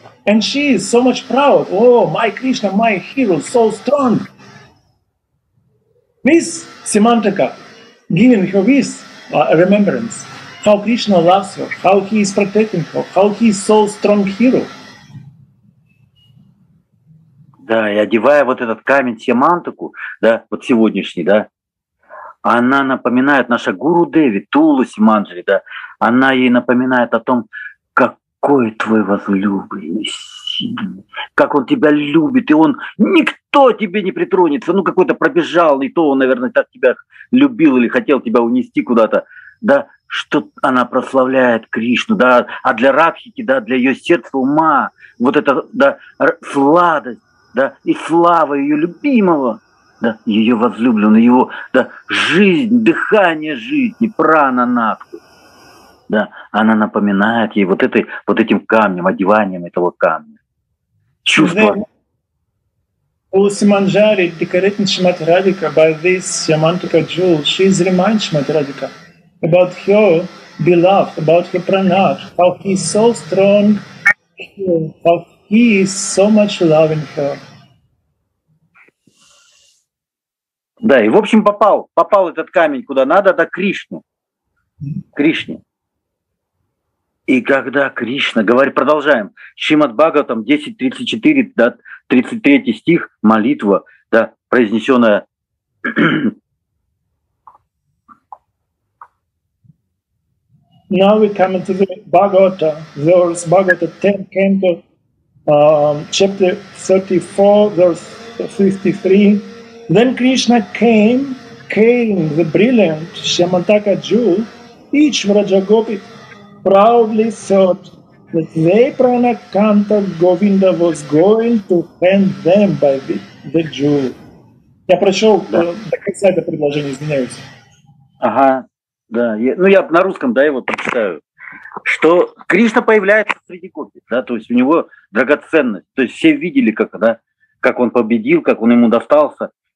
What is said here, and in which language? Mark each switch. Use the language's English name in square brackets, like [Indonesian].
[English] And she is so much proud. Oh, my Krishna, my hero, so strong. This semantica giving her this remembrance, how Krishna loves her, how he is protecting her, how he is so strong hero. [Russian] Да, и одевая вот этот камень семантику, да, вот сегодняшний, да, она напоминает, наша гуру Деви, Тулси Манджари, да, она ей напоминает о том, какой твой возлюбленный сильный, как он тебя любит, и он, никто тебе не притронется, ну, какой-то пробежал, и то он, наверное, так тебя любил или хотел тебя унести куда-то, да, что она прославляет Кришну, да, а для Радхики, да, для ее сердца, ума, вот эта, да, сладость, да, и слава ее любимого, да, ее возлюбленный, его, да, жизнь, дыхание жизни, прана натху, да, она напоминает ей вот этой, вот этим камнем, одеванием этого камня. Чувство. [English] Tulsi Manjari decorating Shrimati Radhika by this Yamantuka jewel, she is reminding Shrimati Radhika about her beloved, about her pranat, how he is so strong, how he is so much loving her. [Russian] Да, и в общем попал этот камень куда надо, да, Кришне. И когда Кришна, говорит, продолжаем, Шримад Бхагаватам 10.34, да, 33 стих, молитва, да, произнесенная. [English] Now we come to the Bhagavata, verse Bhagavata 10, canto, chapter 34, verse 53. Then Krishna came the brilliant Shyamantaka jewel, each Vrajagopi proudly thought that Vaiprana Kanta Govinda was going to hand them by the jewel. [Russian] Я прочел до конца это предложение, извиняюсь. Ага, да. Ну, я на русском, да, его прочитаю. Что Кришна появляется среди гопи, да, то есть у него драгоценность. То есть все видели, как, да, как он победил, как он ему достался.